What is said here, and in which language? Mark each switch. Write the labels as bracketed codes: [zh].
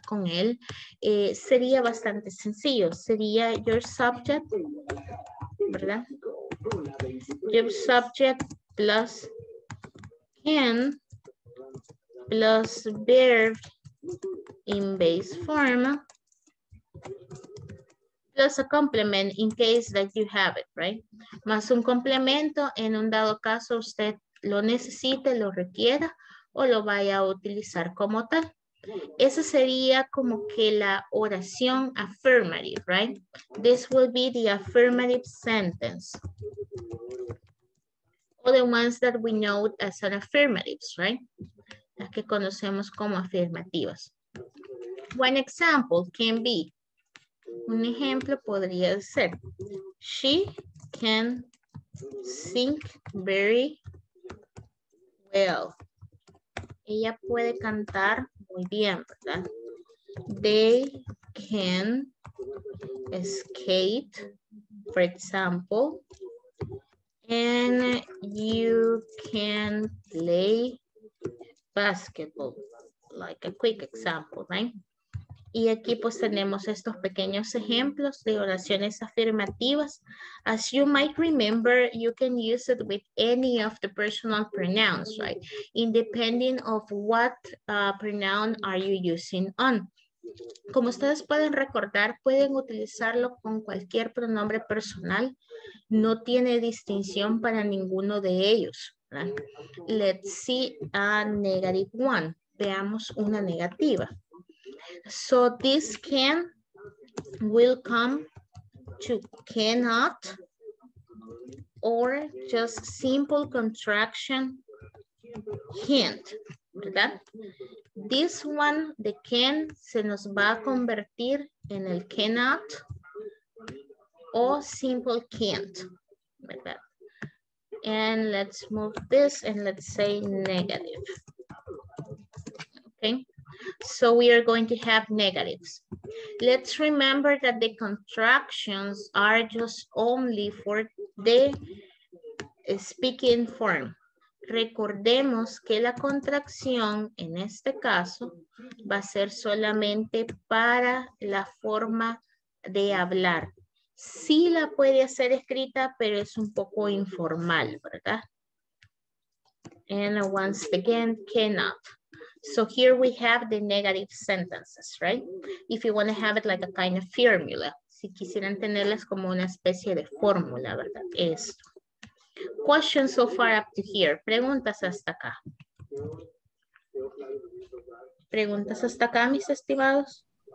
[es] Con él, sería bastante sencillo. Sería your subject, ¿verdad? [en] Your subject plus can plus verb in base form plus a complement in case that you have it, right? [es] Más un complemento en un dado caso usted lo necesite, lo requiera o lo vaya a utilizar como tal. Eso sería como que la oración affirmative, right? [en] This will be the affirmative sentence. All the ones that we know as an affirmatives, right? [es] Las que conocemos como afirmativas. [en] One example can be, [es] un ejemplo podría ser, [en] she can sing very well. [es] Ella puede cantar muy bien, ¿verdad? [en] They can skate, for example. And you can play basketball, like a quick example, right? [es] Y aquí pues tenemos estos pequeños ejemplos de oraciones afirmativas. [en] As you might remember, you can use it with any of the personal pronouns, right? Independent of what pronoun are you using on. [es] Como ustedes pueden recordar, pueden utilizarlo con cualquier pronombre personal. No tiene distinción para ninguno de ellos, right? [en] Let's see a negative one. [es] Veamos una negativa. [en] So this can, will come to cannot, or just simple contraction, can't, ¿verdad? This one, the can, [es] se nos va a convertir en el cannot o simple can't, ¿verdad? [en] And let's move this and let's say negative. Okay. So we are going to have negatives. Let's remember that the contractions are just only for the speaking form. [es] Recordemos que la contracción, en este caso, va a ser solamente para la forma de hablar. Sí la puede hacer escrita, pero es un poco informal, ¿verdad? [en] And once again, cannot. So here we have the negative sentences, right? If you want to have it like a kind of formula. [es] Si quisieran tenerlas como una especie de fórmula, ¿verdad? [en] Esto. Questions so far up to here. [es] Preguntas hasta acá. Preguntas hasta acá, mis estimados.